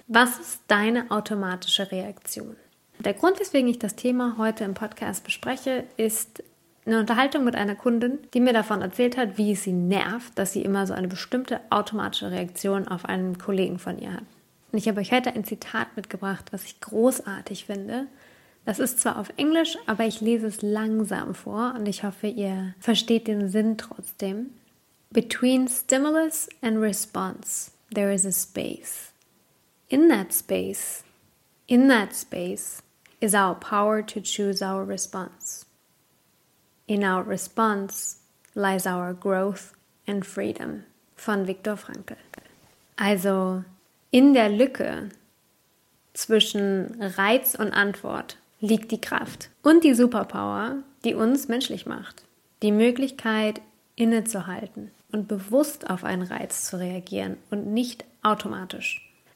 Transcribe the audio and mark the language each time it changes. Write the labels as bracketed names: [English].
[German] Was ist deine automatische Reaktion? Der Grund, weswegen ich das Thema heute im Podcast bespreche, ist eine Unterhaltung mit einer Kundin, die mir davon erzählt hat, wie es sie nervt, dass sie immer so eine bestimmte automatische Reaktion auf einen Kollegen von ihr hat. Und ich habe euch heute ein Zitat mitgebracht, was ich großartig finde. Das ist zwar auf Englisch, aber ich lese es langsam vor und ich hoffe, ihr versteht den Sinn trotzdem. [English] Between stimulus and response, there is a space. In that space is our power to choose our response. In our response lies our growth and freedom. [German] Von Viktor Frankl. Also, in der Lücke zwischen Reiz und Antwort liegt die Kraft und die Superpower, die uns menschlich macht. Die Möglichkeit, innezuhalten und bewusst auf einen Reiz zu reagieren und nicht automatisch.